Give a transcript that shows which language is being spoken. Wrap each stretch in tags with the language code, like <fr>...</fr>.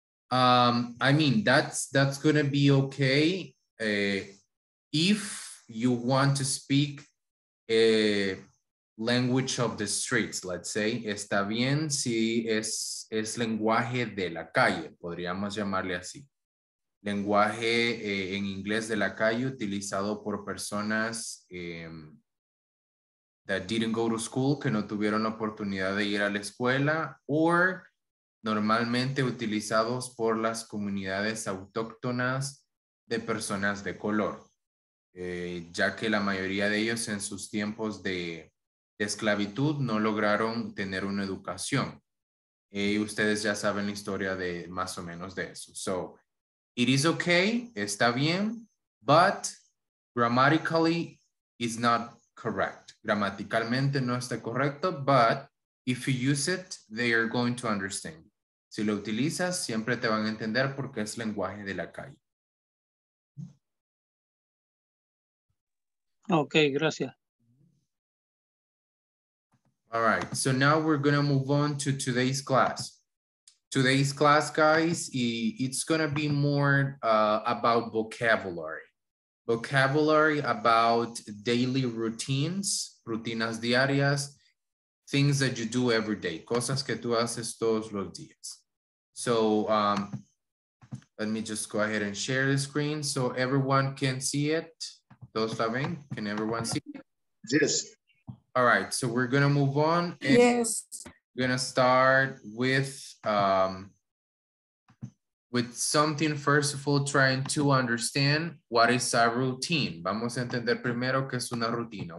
<en>I mean that's gonna be okay if you want to speak a language of the streets, let's say.</en> <es>Está bien si es lenguaje de la calle, podríamos llamarle así. Lenguaje en inglés de la calle utilizado por personas</es> <en>that didn't go to school,</en> <es>que no tuvieron la oportunidad de ir a la escuela, or normalmente utilizados por las comunidades autóctonas de personas de color, ya que la mayoría de ellos en sus tiempos de esclavitud no lograron tener una educación. Ustedes ya saben la historia de más o menos de eso.</es> <en>So, it is okay,</en> <es>está bien,</es> <en>but grammatically it's not correct.</en> <es>Gramaticalmente no está correcto,</es> <en>but if you use it, they are going to understand.</en> <es>Si lo utilizas, siempre te van a entender porque es lenguaje de la calle. Okay, gracias.</es> <en>All right, so now we're going to move on to today's class. Today's class, guys, it's going to be more about vocabulary. Vocabulary about daily routines,</en> <es>rutinas diarias,</es> <en>things that you do every day,</en> <es>cosas que tú haces todos los días.</es> <en>So let me just go ahead and share the screen so everyone can see it.</en> <es>¿Todos la ven?</es> <en>Can everyone see it? Yes. All right, so we're gonna move on. And yes. We're gonna start with with something, first of all, trying to understand what is a routine.</en> <es>Vamos a entender primero que es una rutina.</es>